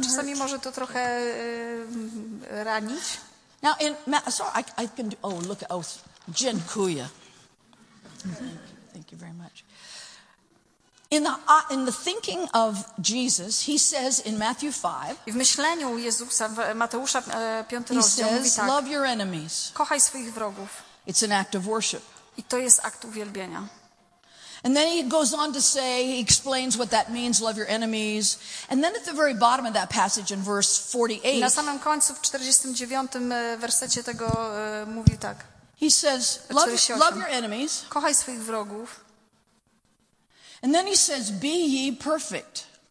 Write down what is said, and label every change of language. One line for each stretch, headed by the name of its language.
Polish: a czasami
English: hurt.
Polish: Może to trochę ranić.
English: Now in sorry, I can do, oh look at oh
Polish: dziękuję.
English: Thank you very much. In the thinking of Jesus, he says in Matthew 5.
Polish: W myśleniu Jezusa w Mateusza 5 rozdział mówi tak.
English: Love your enemies.
Polish: Kochaj swoich wrogów.
English: It's an act of worship.
Polish: I to jest akt uwielbienia.
English: And then he goes on to say, he explains what that means, love your enemies. And then at the very bottom of that passage in verse 48,
Polish: na samym końcu, w 49 wersecie tego mówi tak.
English: He says, love your enemies.
Polish: Kochaj swoich wrogów.
English: And then he says, be ye perfect.